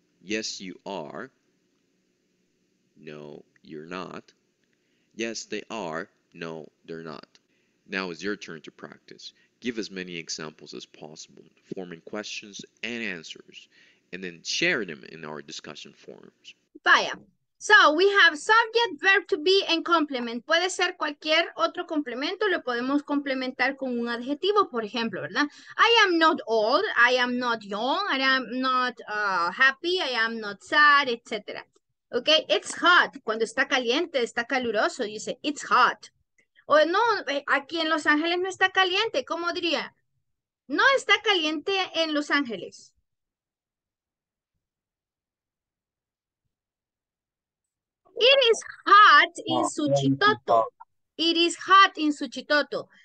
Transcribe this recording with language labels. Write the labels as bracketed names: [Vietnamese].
[English] Yes, you are. No, you're not. Yes, they are. No, they're not. Now it's your turn to practice. Give as many examples as possible, forming questions and answers, and then share them in our discussion forums. Bye. So, we have subject, verb to be, and complement. [Spanish] Puede ser cualquier otro complemento, lo podemos complementar con un adjetivo, por ejemplo, ¿verdad? [English] I am not old, I am not young, I am not happy, I am not sad, etc. [Spanish] ¿Ok? [English] It's hot. [Spanish] Cuando está caliente, está caluroso, dice, [English] it's hot. [Spanish] O no, aquí en Los Ángeles no está caliente, ¿cómo diría? No está caliente en Los Ángeles. [English] It is hot in Suchitoto. It is hot in Suchitoto.